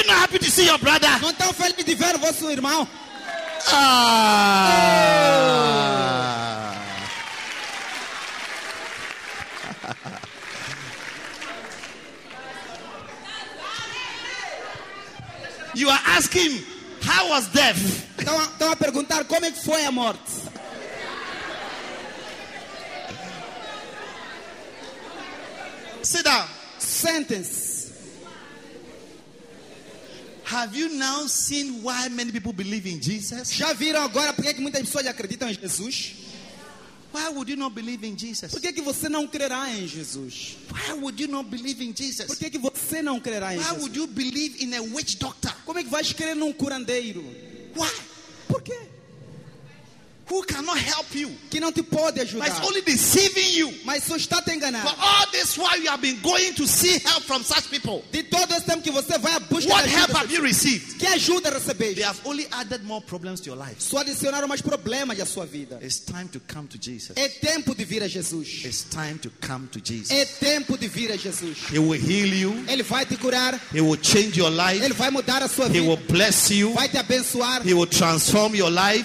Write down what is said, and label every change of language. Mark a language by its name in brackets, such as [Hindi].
[English] Happy to see your brother. [Portuguese] Não tão feliz de ver o vosso irmão. Ah. [English] You are asking how was death? [Portuguese] Estão a perguntar como é que foi a morte. [English] Sit down. Sentence. Have you now seen why many people believe in Jesus? [Portuguese] Já viram agora por que muitas pessoas acreditam em Jesus? [English] Why would you not believe in Jesus? [Portuguese] Por que você não crerá em Jesus? [English] Why would you not believe in Jesus? [Portuguese] Por que você não crerá em Jesus? [English] Why would you believe in a witch doctor? [Portuguese] Como é que vais crer num curandeiro? [English] Why? [Portuguese] Por quê? [English] Who cannot help you? [Portuguese] Que não te pode ajudar. [English] But it's only deceiving you. [Portuguese] Mas só está te enganando. [English] For all this while you have been going to see help from such people. [Portuguese] De todo esse tempo que você vai buscar. [English] What help have you received? [Portuguese] Que ajuda recebeste? [English] They have only added more problems to your life. [Portuguese] Só adicionaram mais problemas à sua vida. [English] It's time to come to Jesus. [Portuguese] É tempo de vir a Jesus. [English] It's time to come to Jesus. [Portuguese] É tempo de vir a Jesus. [English] He will heal you. [Portuguese] Ele vai te curar. [English] He will change your life. [Portuguese] Ele vai mudar a sua vida. [English] He will bless you. [Portuguese] Vai te abençoar. [English] He will transform your life.